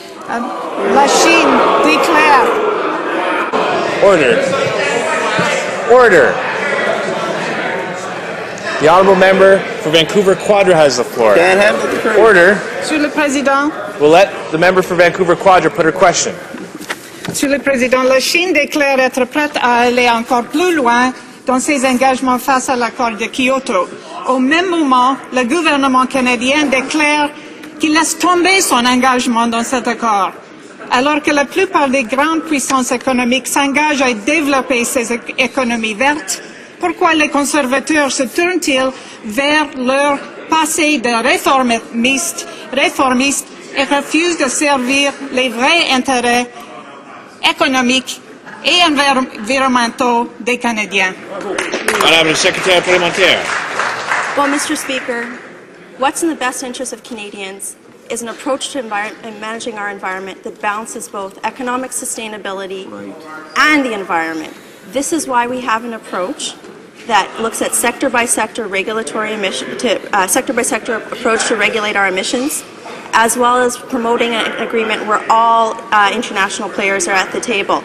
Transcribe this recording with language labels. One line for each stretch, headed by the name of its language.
French: Lachine, déclare.
English: Order. Order. The Honourable Member for Vancouver Quadra has the floor. Dan Hamilton. Order.
French: Monsieur le Président.
English: We'll let the Member for Vancouver Quadra put her question.
French: Monsieur le Président, la Chine déclare être prête à aller encore plus loin dans ses engagements face à l'accord de Kyoto. Au même moment, le gouvernement canadien déclare qu'il laisse tomber son engagement dans cet accord. Alors que la plupart des grandes puissances économiques s'engagent à développer ces économies vertes, pourquoi les conservateurs se tournent-ils vers leur passé de réformiste et refuse de servir les vrais intérêts économiques et environnementaux des Canadiens. Madame la secrétaire parlementaire.
English: Well, Mr. Speaker, what's in the best interest of Canadians is an approach to managing our environment that balances both economic sustainability and the environment. This is why we have an approach that looks at sector-by-sector regulatory sector-by-sector approach to regulate our emissions, as well as promoting an agreement where all international players are at the table.